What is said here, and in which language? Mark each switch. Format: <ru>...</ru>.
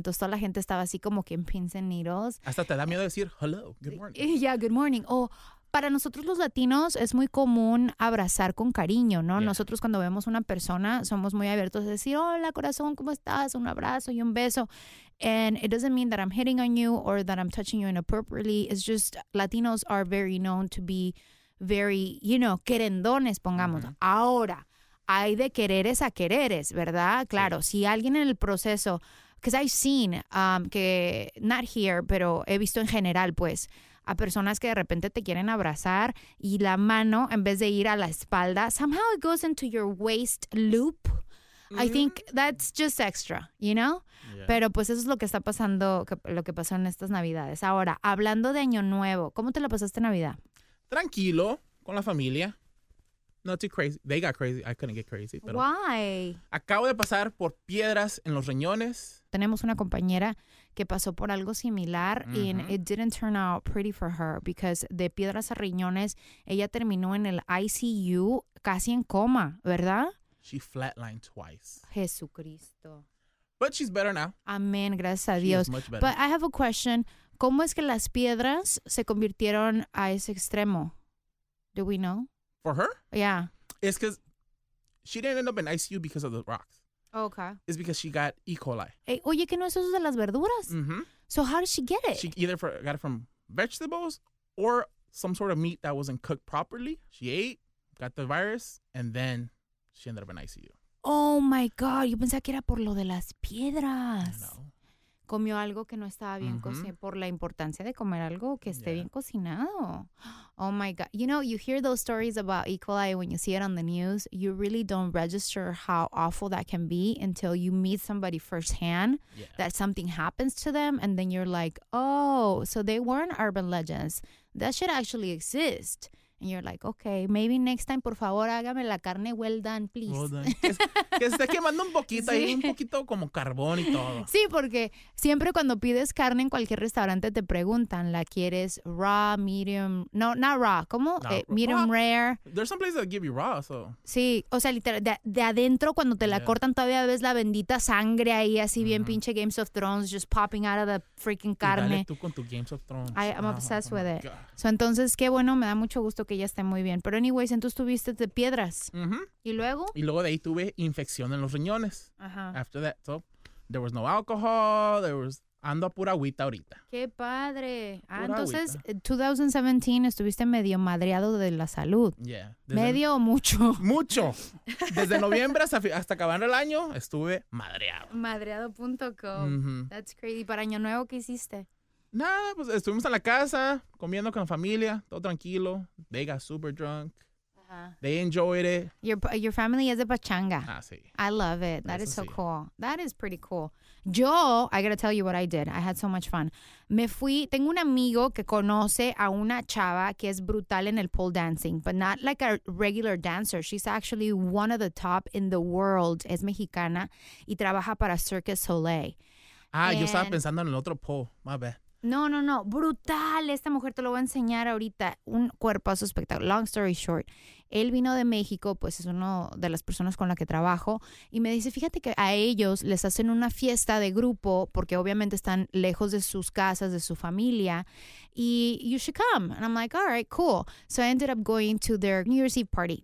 <es>Entonces toda la gente estaba así como que en</es> <en>pins and needles.</en> <es>Hasta te da miedo decir</es> <en>hello, good morning. Yeah, good morning. O...</en> <es>Para nosotros los latinos es muy común abrazar con cariño, ¿no? Yeah. Nosotros cuando vemos una persona somos muy abiertos a decir, hola corazón, ¿cómo estás? Un abrazo y un beso.</es> <en>And it doesn't mean that I'm hitting on you or that I'm touching you inappropriately. It's just Latinos are very known to be very, you know,</en> <es>querendones, pongamos. Mm-hmm. Ahora, hay de quereres a quereres, ¿verdad? Claro, sí. Si alguien en el proceso,</es> <en>because I've seen,</en> <es>que</es> <en>not here,</en> <es>pero he visto en general, pues, a personas que de repente te quieren abrazar y la mano, en vez de ir a la espalda,</es> <en>somehow it goes into your waist loop. Mm-hmm. I think that's just extra, you know? Yeah.</en> <es>Pero pues eso es lo que está pasando, lo que pasó en estas Navidades. Ahora, hablando de Año Nuevo, ¿cómo te la pasaste Navidad? Tranquilo, con la familia.</es> <en>Not too crazy. They got crazy. I couldn't get crazy.</en> <es>Pero</es> <en>why?</en> <es>Acabo de pasar por piedras en los riñones. Tenemos una compañera que pasó por algo similar</es> <en>and it didn't turn out pretty for her because</en> <es>de piedras a riñones, ella terminó en el ICU casi en coma, ¿verdad?</es> <en>She flatlined twice.</en> <es>Jesucristo.</es> <en>But she's better now. Amén, gracias a Dios. She is much better. But I have a question.</en> <es>¿Cómo es que las piedras se convirtieron a ese extremo?</es> <en>Do we know? For her? Yeah. It's because she didn't end up in ICU because of the rocks. Okay. It's because she got E. coli.</en> <es>Hey, oye, ¿qué no es eso de las verduras? Mm-hmm.</es> <en>So how did she get it? She either got it from vegetables or some sort of meat that wasn't cooked properly. She ate, got the virus, and then she ended up in ICU. Oh, my God.</en> <es>Yo pensé que era por lo de las piedras. No. Comió algo que no estaba bien cocinado. Por la importancia de comer algo que esté bien cocinado.</es> <en>Oh, my God. You know, you hear those stories about E. coli when you see it on the news. You really don't register how awful that can be until you meet somebody firsthand that something happens to them. And then you're like, oh, so they weren't urban legends. That should actually exist. And you're like, okay, maybe next time,</en> <es>por favor, hágame la carne</es> <en>well done, please. Well done.</en> <es>Que esté quemando un poquito ahí, un poquito como carbón y todo. Sí, porque siempre cuando pides carne en cualquier restaurante te preguntan, ¿la quieres</es> <en>raw, medium? No, not raw.</en> <es>¿Cómo?</es> <en>No, medium rare. There's some places that give you raw, so.</en> <es>Sí, o sea, literal, de adentro cuando te la cortan todavía ves la bendita sangre ahí, así bien pinche Games of Thrones,</es> <en>just popping out of the freaking</en> <es>carne. Y dale tú con tu Games of Thrones.</es> <en>I'm obsessed with it.</en> <es>So, entonces, qué bueno, me da mucho gusto que ella esté muy bien. Pero anyways, entonces tuviste de piedras. Uh-huh. ¿Y luego? Y luego de ahí tuve infección en los riñones. Uh-huh.</es> <en>After that. So, there was no alcohol.</en> <es>Ando a pura agüita ahorita. ¡Qué padre! Pura entonces, agüita. 2017 estuviste medio madreado de la salud.</es> <en>Yeah.</en> <es>¿Medio o mucho? Mucho. Desde noviembre hasta acabar el año, estuve madreado. Madreado.com. Uh-huh.</es> <en>That's crazy.</en> <es>¿Y para Año Nuevo qué hiciste? Nada, pues estuvimos en la casa, comiendo con la familia, todo tranquilo.</es> <en>They got super drunk. Uh-huh. They enjoyed it. Your family is a pachanga.</en> <es>Ah, sí.</es> <en>I love it. That is so cool. That is pretty cool. Yo, I gotta tell you what I did. I had so much fun.</en> <es>Me fui, tengo un amigo que conoce a una chava que es brutal en el</es> <en>pole dancing, but not like a regular dancer. She's actually one of the top in the world.</en> <es>Es mexicana y trabaja para Cirque Soleil. Ah, and yo estaba pensando en el otro pole.</es> <en>My bad.</en> <es>No, no, no. Brutal. Esta mujer te lo voy a enseñar ahorita. Un cuerpazo espectacular.</es> <en>Long story short.</en> <es>Él vino de México, pues es una de las personas con la que trabajo. Y me dice, fíjate que a ellos les hacen una fiesta de grupo, porque obviamente están lejos de sus casas, de su familia.</es> <en>Y you should come. And I'm like, all right, cool. So I ended up going to their New Year's Eve party.</en>